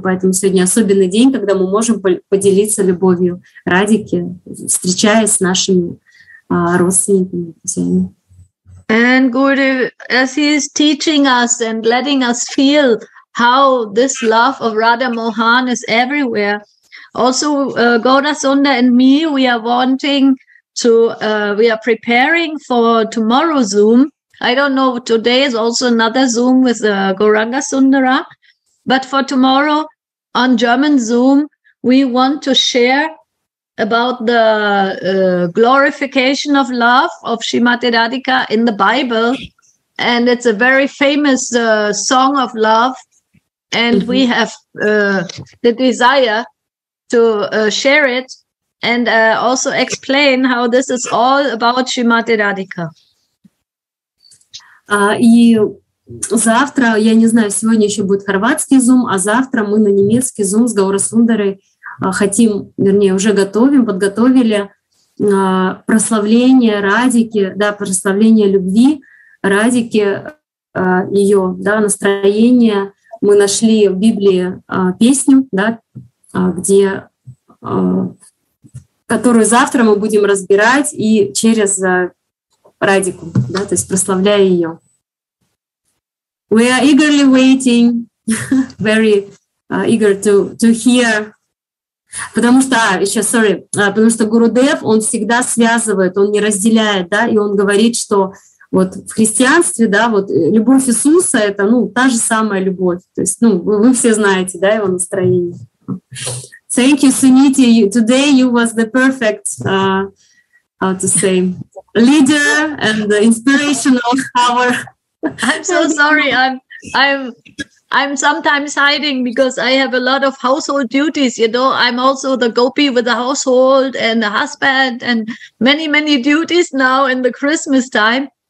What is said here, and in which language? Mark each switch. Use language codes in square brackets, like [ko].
[ru] Поэтому сегодня особенный день, когда мы можем поделиться любовью Радики, встречаясь с нашими родственниками, друзьями. [en] And Gurudev, as he is teaching us and letting us feel how this love of Radha Mohan is everywhere, also Gaurasundar and me, we are wanting to, we are preparing for tomorrow Zoom. I don't know, today is also another Zoom with Gauranga Sundara, but for tomorrow on German Zoom, we want to share about the glorification of love of Srimati Radhika in the Bible. And it's a very famous song of love. And mm-hmm. we have the desire to share it and also explain how this is all about Srimati Radhika. [ru] Завтра, я не знаю, сегодня еще будет хорватский Zoom, а завтра мы на немецкий Zoom с Гаурасундарой хотим, вернее, уже готовим, подготовили прославление Радики, да, прославление любви Радики, ее, да, настроение. Мы нашли в Библии песню, да, где, которую завтра мы будем разбирать и через Радику, да, то есть прославляя ее. [en] We are eagerly waiting, very eager to hear. [ru] Потому что, еще, sorry, потому что Гурудев, он всегда связывает, он не разделяет, да, и он говорит, что вот в христианстве, да, вот любовь Иисуса — это, ну, та же самая любовь. То есть, ну, вы все знаете, да, его настроение. [en] Thank you, Suniti. Today you was the perfect, how to say, leader and the inspiration of our... I'm so sorry, I'm sometimes hiding because I have a lot of household duties, you know. I'm also the gopi with the household and the husband and many, many duties now in the Christmas time.